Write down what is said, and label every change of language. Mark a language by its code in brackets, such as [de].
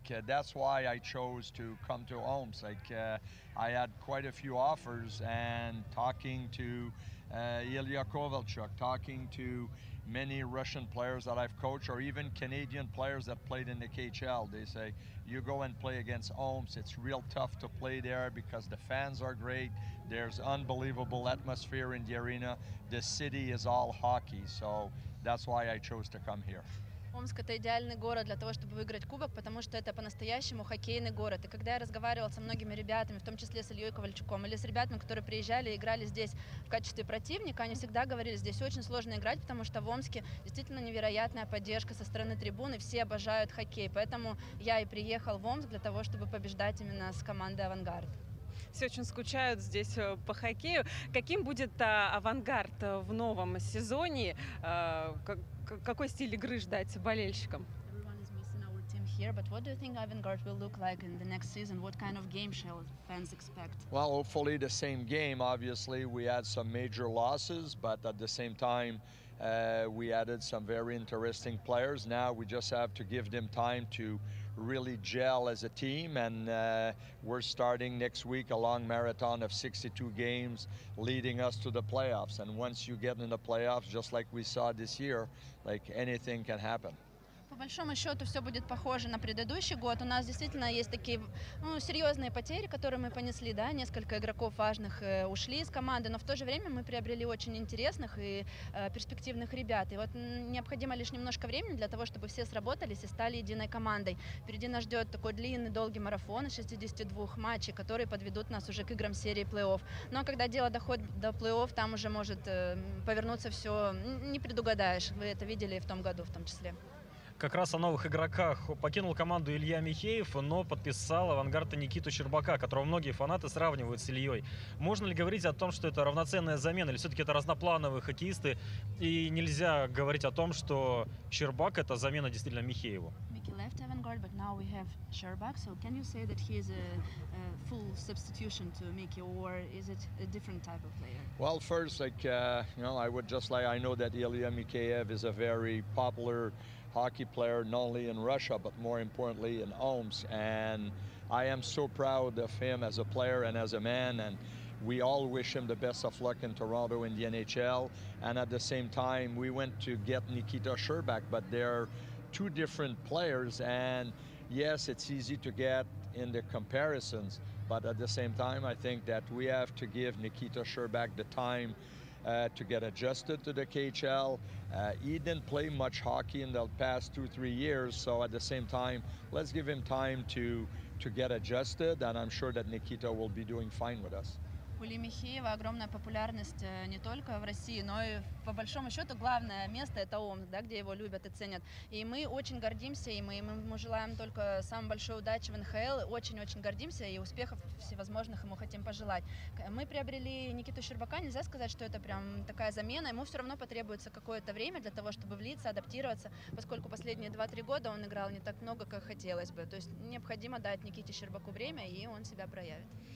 [en] That's why I chose to come to Omsk. I had quite a few offers, and talking to Ilya Kovalchuk, talking to many Russian players that I've coached, or even Canadian players that played in the KHL, they say, you go and play against Omsk, it's real tough to play there because the fans are great, there's unbelievable atmosphere in the arena, the city is all hockey, so that's why I chose to come here. [ru] Омск – это идеальный город для того, чтобы выиграть кубок, потому что это по-настоящему хоккейный город. И когда я разговаривала со многими ребятами, в том числе с Ильей Ковальчуком, или с ребятами, которые приезжали и играли здесь в качестве противника, они всегда говорили, здесь очень сложно играть, потому что в Омске действительно невероятная поддержка со стороны трибуны, все обожают хоккей. Поэтому я и приехал в Омск для того, чтобы побеждать именно с командой «Авангард». Все очень скучают здесь по хоккею. Каким будет «Авангард» в новом сезоне? Какой стиль игры ждать болельщикам? [en] Everyone is missing our team here, but what do you think Avangard will look like in the next season? What kind of game shall fans expect? Well, hopefully the same game. Obviously, we had some major losses, but at the same time, we added some very interesting players. Now we just have to give them time to really gel as a team, and we're starting next week a long marathon of 62 games leading us to the playoffs. And once you get in the playoffs, just like we saw this year, like anything can happen. [ru] большому счету все будет похоже на предыдущий год. У нас действительно есть такие, ну, серьезные потери, которые мы понесли, да, несколько игроков важных ушли из команды, но в то же время мы приобрели очень интересных и перспективных ребят. И вот необходимо лишь немножко времени для того, чтобы все сработались и стали единой командой. Впереди нас ждет такой длинный, долгий марафон из 62 матчей, которые подведут нас уже к играм серии плей-офф. Но когда дело доходит до плей-офф, там уже может повернуться все, не предугадаешь. Вы это видели в том году в том числе. Как раз о новых игроках. Покинул команду Илья Михеев, но подписал «Авангарда» Никиту Щербака, которого многие фанаты сравнивают с Ильей. Можно ли говорить о том, что это равноценная замена, или все-таки это разноплановые хоккеисты, и нельзя говорить о том, что Щербак – это замена действительно Михееву? [en] He left Avangard, but now we have Щербак. So can you say that he is a full substitution to Mickey, or is it a different type of player? Well, first, like I would just like, I know that Ilya Mikheyev is a very popular hockey player, not only in Russia, but more importantly in Omsk. And I am so proud of him as a player and as a man. And we all wish him the best of luck in Toronto in the NHL. And at the same time, we went to get Nikita Щербак, but they're two different players, and yes, it's easy to get in the comparisons, but at the same time, I think that we have to give Nikita Щербак the time to get adjusted to the KHL. He didn't play much hockey in the past 2-3 years, so at the same time, let's give him time to get adjusted, and I'm sure that Nikita will be doing fine with us. [ru] У Ильи Михеева огромная популярность не только в России, но и по большому счету главное место – это Омск, да, где его любят и ценят. И мы очень гордимся им, и мы ему желаем только самой большой удачи в НХЛ, очень-очень гордимся, и успехов всевозможных ему хотим пожелать. Мы приобрели Никиту Щербака, нельзя сказать, что это прям такая замена, ему все равно потребуется какое-то время для того, чтобы влиться, адаптироваться, поскольку последние 2-3 года он играл не так много, как хотелось бы. То есть необходимо дать Никите Щербаку время, и он себя проявит.